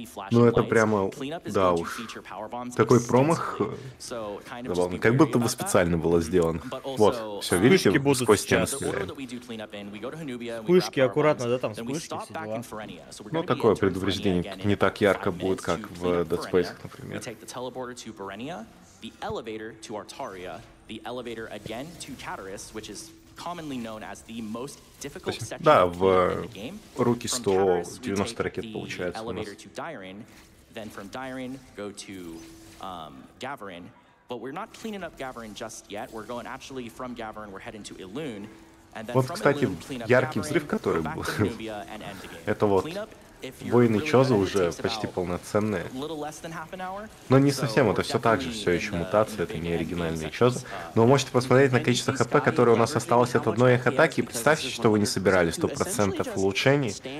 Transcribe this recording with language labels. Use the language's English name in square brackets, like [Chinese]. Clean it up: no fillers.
[Russian] Ну это прямо, да уж, такой промах забавный. Как будто бы специально было сделано. Вот, все, видите, сквозь стены стреляем. Вспышки аккуратно, да, там вспышки, все дела. Ну, такое предупреждение не так ярко будет, как в Dead Space, например. [English] The elevator to Artaria, the elevator again to Cataris, which is commonly known as the most difficult section in the game. [Russian] Руки 190 ракет получается. [English] Elevator to Dairin, then from Dairin go to Gavarin, but we're not cleaning up Gavarin just yet. We're going actually from Gavarin, we're heading to Ilune, and then from Ilune clean up Gavarin. [Russian] Взрыв, который был. Это вот. Воины Чоза уже почти полноценные. Но не совсем, это все так же, все еще мутация, это не оригинальные Чоза. Но вы можете посмотреть на количество ХП, которое у нас осталось от одной их атаки, и представьте, что вы не собирали 100% улучшений.